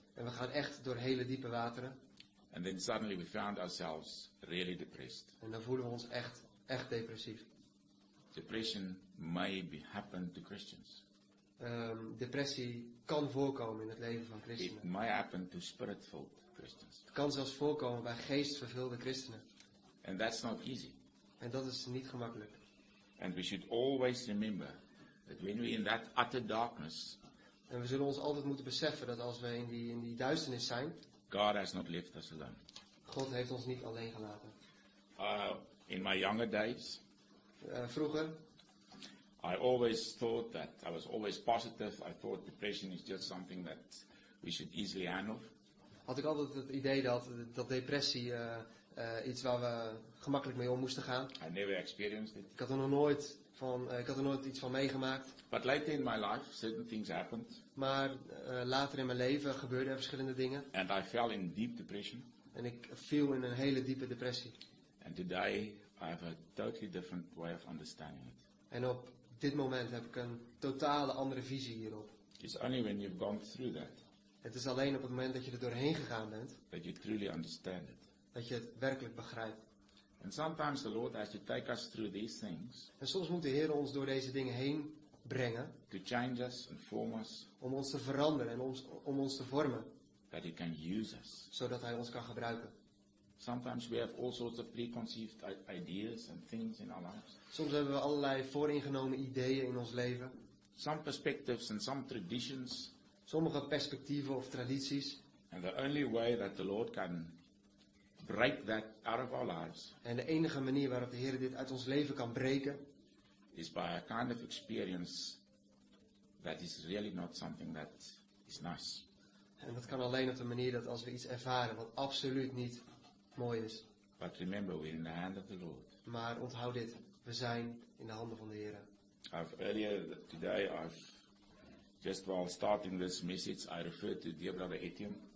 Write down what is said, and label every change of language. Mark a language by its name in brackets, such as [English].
[Dutch] En we gaan echt door hele diepe wateren. [English] And then suddenly we found ourselves really depressed. [Dutch] En dan voelen we ons echt depressief. [English] Depression may happen to Christians. [Dutch] Depressie kan voorkomen in het leven van christenen. [English] It may happen to spirit-filled Christians. [Dutch] Het kan zelfs voorkomen bij geestvervulde christenen. [English] And that's not easy. [Dutch] En dat is niet gemakkelijk. [English] And we should always remember that when we in that utter darkness. [Dutch] En we zullen ons altijd moeten beseffen dat als we in die duisternis zijn. [English] God has not left us alone. [Dutch] God heeft ons niet alleen gelaten. [English] In my younger days. [Dutch] Vroeger. [English] I always thought that I was always positive. I thought depression is just something that we should easily handle. [Dutch] Had ik altijd het idee dat depressie iets waar we gemakkelijk mee om moesten gaan. [English] I never experienced it. [Dutch] Ik had er nog nooit van, ik had er nooit iets van meegemaakt. [English] But later in my life, certain things happened. [Dutch] Maar later in mijn leven gebeurden er verschillende dingen. [English] And I fell in deep depression. [Dutch] En ik viel in een hele diepe depressie. [English] And today, I have a totally different way of understanding it. [Dutch] En op dit moment heb ik een totale andere visie hierop. [English] It's only when you've gone through that. [Dutch] Het is alleen op het moment dat je er doorheen gegaan bent. [English] That you truly understand it. [Dutch] Dat je het werkelijk begrijpt. [English] And sometimes the Lord has to take us through these things. [Dutch] En soms moet de Heer ons door deze dingen heen brengen. [English] To change us and form us. [Dutch] Om ons te veranderen en om ons te vormen. [English] That He can use us. [Dutch] Zodat Hij ons kan gebruiken. [English] Sometimes we have all sorts of preconceived ideas and things in our lives. [Dutch] Soms hebben we allerlei vooringenomen ideeën in ons leven. [English] Some perspectives and some traditions. [Dutch] Sommige perspectieven of tradities. [English] And the only way that the Lord can break that out of our lives. [Dutch] En de enige manier waarop de Heer dit uit ons leven kan breken. [English] Is by a kind of experience that is really not something that is nice. [Dutch] En dat kan alleen op de manier dat als we iets ervaren wat absoluut niet mooi is. [English] But remember, we're in the hand of the Lord. [Dutch] Maar onthoud dit, we zijn in de handen van de Heer. [English] I've earlier today I've Just while starting this message, I refer to dear brother Etienne.